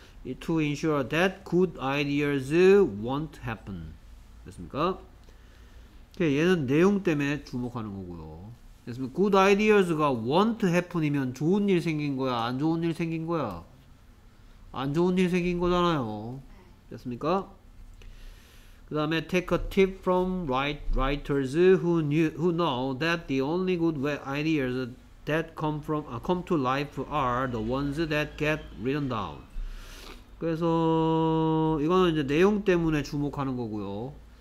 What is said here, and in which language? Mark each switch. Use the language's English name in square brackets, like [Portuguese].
[English] To ensure that good ideas won't happen. [Korean] 됐습니까? 얘는 내용 때문에 주목하는 거고요. 됐습니까? [English] good ideas [Korean] 가 [English] won't happen [Korean] 이면 좋은 일 생긴 거야, 안 좋은 일 생긴 거야? 안 좋은 일 생긴 거잖아요. 됐습니까? 그다음에 [English] take a tip from writers who knew, who know that the only good ideas that come to life are the ones that get written down. [Korean] 그래서 이거는 이제 내용 때문에 주목하는 거고요.